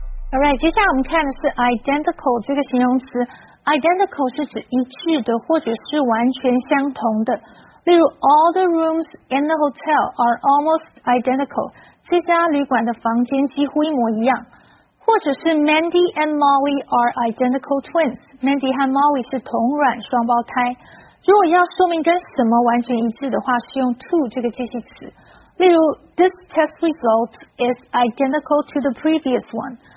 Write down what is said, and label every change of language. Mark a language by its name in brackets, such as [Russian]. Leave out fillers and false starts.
[English] All right, [Chinese] 接下来我们看的是 identical 这个形容词。Identical 是指一致的或者是完全相同的。例如, [English] all the rooms in the hotel are almost identical. [Chinese] 这家旅馆的房间几乎一模一样。或者是 [English] Mandy and Molly are identical twins. [Chinese] Mandy 和 Molly 是同卵双胞胎。如果要说明跟什么完全一致的话，是用 to 这个介系词。例如, [English] this test result is identical to the previous one.